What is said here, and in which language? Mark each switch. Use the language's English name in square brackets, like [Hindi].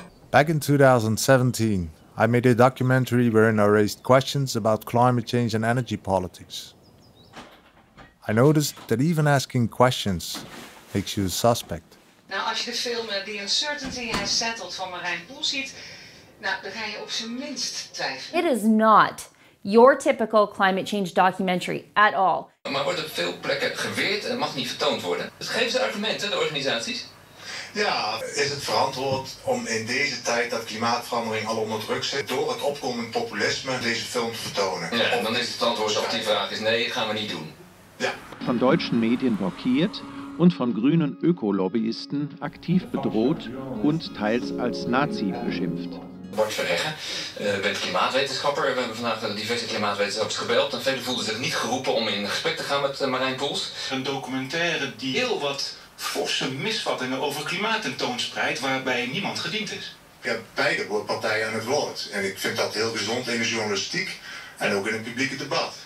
[English] Back in 2017, I made a documentary wherein I raised questions about climate change and energy politics. I noticed that even asking questions makes you a suspect. [Dutch] Nou, als je de film The Uncertainty Has Settled van Marijn Poel ziet, nou, dan ga je op zijn minst twijfelen. [English] It is not your typical climate change documentary at all. [Dutch] Maar wordt op veel plekken geweerd en mag niet vertoond worden. Dus geven ze argumenten, de organisaties? Ja, is het verantwoord om in deze tijd dat klimaatverandering al onder druk zit door het opkomend populisme deze film te vertonen? Ja, en dan is het antwoord op die vraag is nee, gaan we niet doen. Ja. [German] Van deutschen Medien blockiert und von grünen Ökolobbyisten aktiv bedroht und teils als Nazi beschimpft. [Dutch] Bart Verheggen, ben klimaatwetenschapper. We hebben vandaag diverse klimaatwetenschappers gebeld. En velen voelden zich niet geroepen om in gesprek te gaan met Marijn Poels. Een documentaire die heel wat forse misvattingen over klimaat tentoonspreidt waarbij niemand gediend is. Ik heb beide partijen aan het woord. En ik vind dat heel gezond in de journalistiek en ook in het publieke debat.